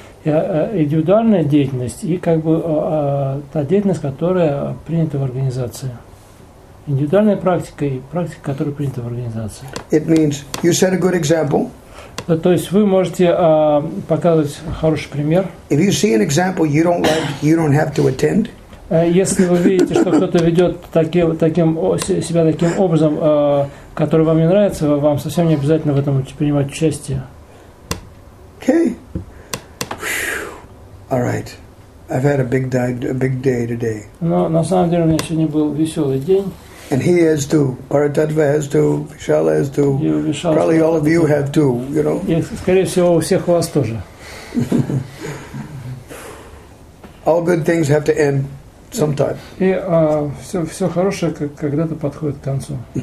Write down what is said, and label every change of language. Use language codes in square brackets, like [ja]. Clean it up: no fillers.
[ru] Индивидуальная деятельность и как бы та деятельность, которая принята в организации. Индивидуальная практика и практика, которая принята в организации. [en] It means you set a good example. [ru] То есть вы можете показывать хороший пример. [en] If you see an example you don't like, you don't have to attend. [ru] Если вы видите, что кто-то ведет себя таким образом, который вам не нравится, вам совсем не обязательно в этом принимать участие. [en] Okay. All right. I've had a big day today. [ru] Но на самом деле у меня сегодня был веселый день. [en] And he has too. Paratattva has too. Vishala has too. Probably all of you have too, you know. [ru] Скорее всего, у всех у вас тоже. [en] All good things have to end sometime. [ru] И все хорошее когда-то подходит к концу.